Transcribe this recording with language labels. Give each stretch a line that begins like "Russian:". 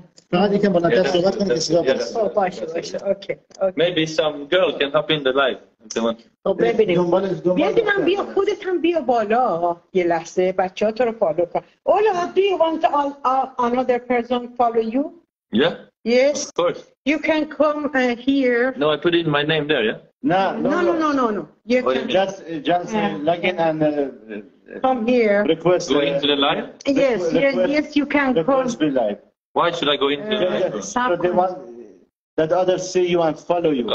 Persian: فقط یکم بلندتر صحبت کنی که سیگاه باشه باشه اوکی
English: maybe some girl can hop in the live
Persian: ببینیم بیا خودت هم بیا بالا یه لحظه بچه ها تو رو فالو کن اولا
English: do you want another person follow you yeah yes of course You can come here. No, I put in my name there, yeah? No. You can just log in and come here. Request. Go into the live? Yes, yes, you can request come. Live. Why should I go into the live? So they want that others see you and follow you.